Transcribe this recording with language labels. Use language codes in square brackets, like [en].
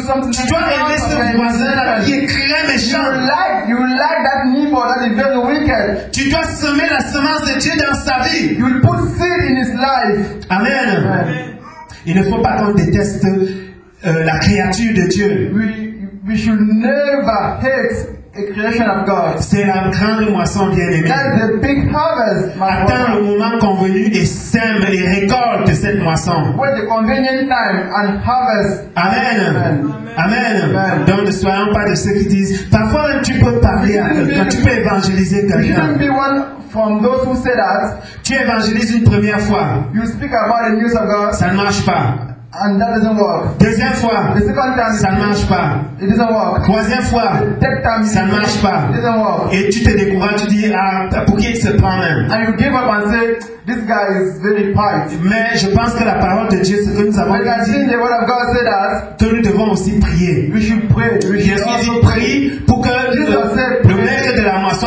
[fr] Tu dois aimer ce voisin-là qui est très méchant. [en] You like that neighbor that is very wicked. [fr] Tu dois semer la semence de Dieu dans sa vie. [en] You will put seed in his life. Amen. Amen. [fr] Il ne faut pas qu'on déteste la créature de Dieu. [en] We should never hate a creation of God. [fr] C'est la grande moisson bien-aimée. [en] That's the big harvest. [fr] Attends le moment convenu et sème les récoltes de cette moisson. [en] Wait the convenient time and harvest. Amen. Amen. Amen. Amen. [fr] Donc ne soyons pas de ceux qui disent. Parfois même tu peux parler à quelqu'un, tu peux évangéliser quelqu'un. [en] From those who say that, [fr] tu évangélises une première fois. [en] You speak about the news of God. [fr] Ça ne marche pas. [en] And that doesn't work. [fr] Deuxième fois. [en] The second time. [fr] Ça ne marche pas. [en] It doesn't work. [fr] Troisième fois. [en] The third time. [fr] Ça ne marche pas. [en] It doesn't work. [fr] Et tu te décourages, tu dis ah, pour qui il se prend même. [en] And you give up and say, this guy is very pious. [fr] Mais je pense que la parole de Dieu, ce que nous avons dit, [en] the word of God said that, [fr] que nous devons aussi prier. [en] We should pray. We should [fr] Jésus dit prie pour que le maître de la moisson